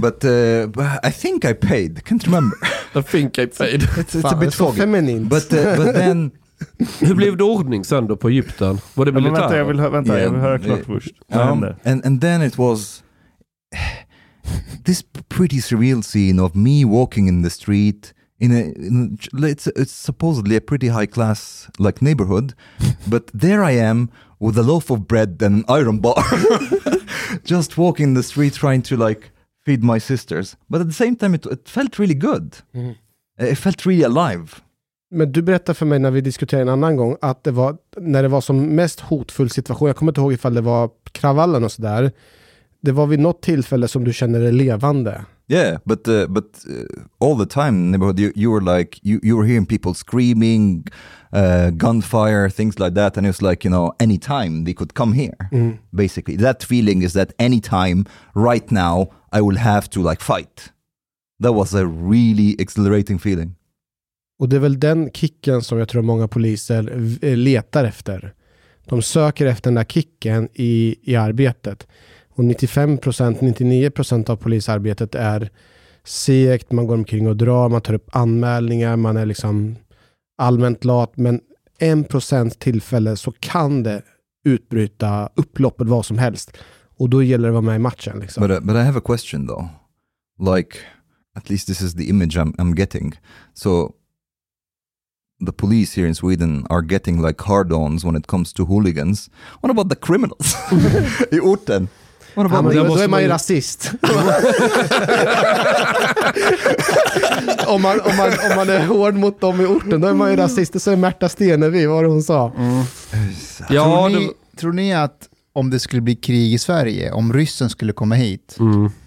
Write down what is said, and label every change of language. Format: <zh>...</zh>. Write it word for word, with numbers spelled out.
<en>But uh, I think I paid. Can't remember. I think I paid. It's, it's a bit foggy. Feminine. But uh, but then</en> <sv>Hur blev det ordning sen då på Egypten? Var det militärt? Ja, vänta, jag vill, hö- vänta, yeah. jag vill höra klart först.</sv> <en>Um, and, and then it was this pretty surreal scene of me walking in the street in a, in a it's, it's supposedly a pretty high class like neighborhood, but there I am with a loaf of bread and an iron bar, just walking the street trying to like feed my sisters. But at the same time, it, it felt really good. Mm. It felt really alive.</en> <sv>Men du berättade för mig när vi diskuterade en annan gång att det var, när det var som mest hotfull situation, jag kommer inte ihåg ifall det var kravallen och sådär, det var vid något tillfälle som du kände dig levande.</sv> <en>Yeah, but, uh, but uh, all the time you, you were like, you, you were hearing people screaming, uh, gunfire, things like that, and it was like, you know, anytime they could come here, mm. basically. That feeling is that anytime, right now, I will have to like fight. That was a really exhilarating feeling.</en> <sv>Och det är väl den kicken som jag tror många poliser letar efter. De söker efter den där kicken i, i arbetet. Och nittiofem procent, nittionio procent av polisarbetet är segt. Man går omkring och drar, man tar upp anmälningar, man är liksom allmänt lat. Men en procent tillfälle så kan det utbryta upploppet, vad som helst. Och då gäller det att vara med i matchen. Liksom.</sv> <en>But, uh, but I have a question though. Like, at least this is the image I'm, I'm getting. So... the police here in Sweden are getting like hard-ons when it comes to hooligans. What about the criminals?</en> <sv>I orten.</sv> <en>What about</en> <sv>ja, men då är man ju rasist. om, man, om, man, om man är hård mot dem i orten, då är man ju rasist. Det säger Märta Stenevi, vad hon sa. Mm. Ja, tror, ni, det... tror ni att om det skulle bli krig i Sverige, om ryssen skulle komma hit mm.</sv>